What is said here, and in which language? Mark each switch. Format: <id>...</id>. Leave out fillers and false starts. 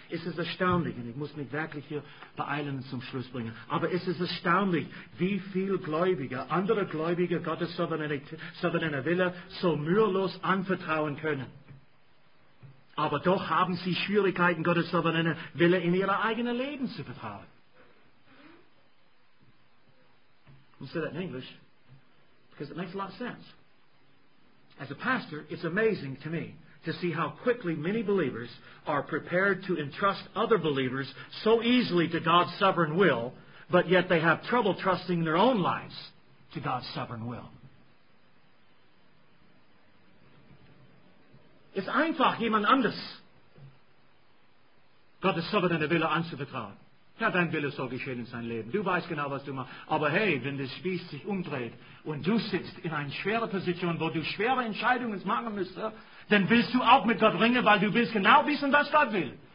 <de>Es ist erstaunlich, und ich muss mich wirklich hier beeilen und zum Schluss bringen, aber es ist erstaunlich, wie viele Gläubige, andere Gläubige Gottes souveräne Wille so mühelos anvertrauen können. Aber doch haben sie Schwierigkeiten, Gottes souveräne Wille in ihre eigene Leben zu vertrauen.</de> <en>We'll say that in English, because it makes a lot of sense. As a pastor, it's amazing to me to see how quickly many believers are prepared to entrust other believers so easily to God's sovereign will, but yet they have trouble trusting their own lives to God's sovereign will.</en> <de>Es ist einfach, jemand anders Gottes souveräne Wille anzuvertrauen. Ja, dein Wille soll geschehen in sein Leben. Du weißt genau, was du machst. Aber hey, wenn das Spieß sich umdreht und du sitzt in einer schweren Position, wo du schwere Entscheidungen machen müsstest, dann willst du auch mit Gott ringen, weil du willst genau wissen, was Gott will.</de>